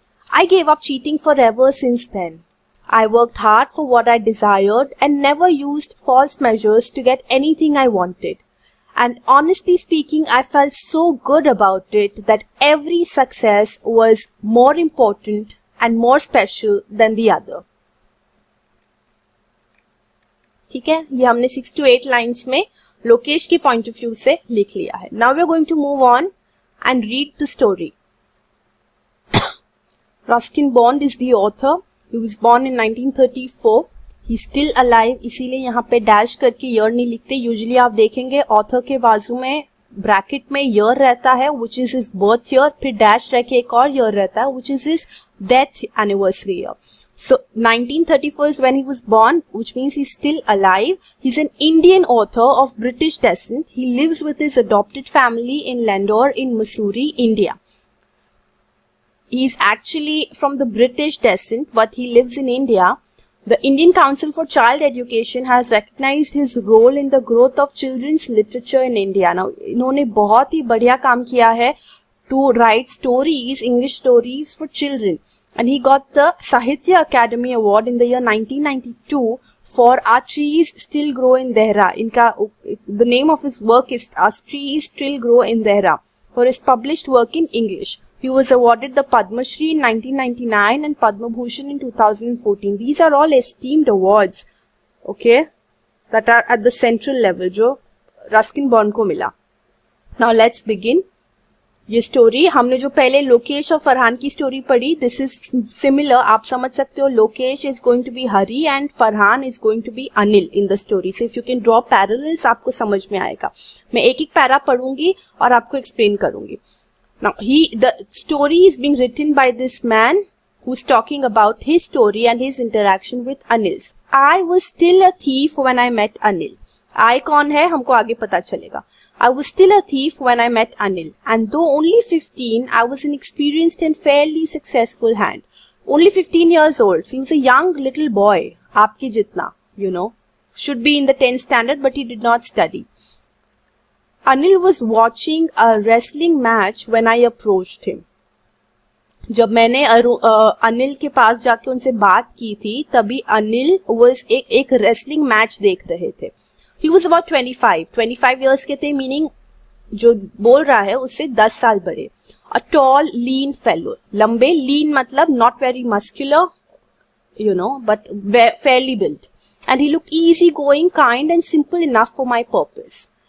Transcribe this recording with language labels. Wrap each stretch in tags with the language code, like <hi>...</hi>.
<en>I gave up cheating forever since then. I worked hard for what I desired and never used false measures to get anything I wanted. And honestly speaking, I felt so good about it that every success was more important and more special than the other.</en> <hi>ठीक है, ये हमने 6 to 8 lines में लोकेश के point of view से लिख लिया है.</hi> <en>Now we are going to move on and read the story. Ruskin Bond is the author. He was born in 1934. He still alive.</en> <hi>इसीलिए यहाँ पे डैश करके ईयर नहीं लिखते. यूजुअली आप देखेंगे ऑथर के बाजू में ब्रैकेट में ईयर रहता है</hi> <en>which is his birth year,</en> <hi>फिर डैश रह के एक और ईयर रहता है</hi> <en>Which is his death anniversary year. So, 1934 is when he was born, which means he's still alive. He's an Indian author of British descent. He lives with his adopted family in Lahore in Missouri, India. He's actually from the British descent, but he lives in India. The Indian Council for Child Education has recognized his role in the growth of children's literature in India. Now,</en> <hi>इन्होंने बहुत ही बढ़िया काम किया है</hi> <en>to write stories, English stories for children. And he got the Sahitya Academy Award in the year 1992 for Our Trees Still Grow in Dehra. The name of his work is Our Trees Still Grow in Dehra for his published work in English. He was awarded the Padma Shri in 1999 and Padma Bhushan in 2014. These are all esteemed awards, okay, that are at the central level,</en> <hi>jo Ruskin Bond ko mila.</hi> <en>Now let's begin.</en> <hi>ये story हमने जो पहले लोकेश और फरहान की story पढ़ी,</hi> <en>This is similar.</en> <hi>आप समझ सकते हो</hi> <en>Lokesh is going to be Hari and Farhan is going to be Anil in the story. So if you can draw parallels</en> <hi>आपको समझ में आएगा. मैं एक एक पैरा पढ़ूंगी और आपको एक्सप्लेन करूंगी.</hi> <en>Now ही the story is being written by this man who is talking about his story and his interaction with Anil. I was still a thief when I met Anil. आई</en> <hi>कौन है हमको आगे पता चलेगा.</hi> <en>I was still a thief when I met Anil, and though only 15, I was an experienced and fairly successful hand. Only 15 years old, seems a young little boy,</en> <hi>aapki jitna,</hi> <en>you know, should be in the 10th standard, but he did not study. Anil was watching a wrestling match when I approached him.</en> <hi>जब मैंने अनिल के पास जाके उनसे बात की थी, तभी Anil</hi> <en>was</en> <hi>एक wrestling match देख रहे थे.</hi> <en>He was about 25 years</en> <hi>ke the,</hi> <en>meaning</en> <hi>jo bol raha hai usse 10 saal bade.</hi> <en>A tall lean fellow. Lambe lean matlab not very muscular, you know, but fairly built. And he looked easy going, kind and simple enough for my purpose.</en>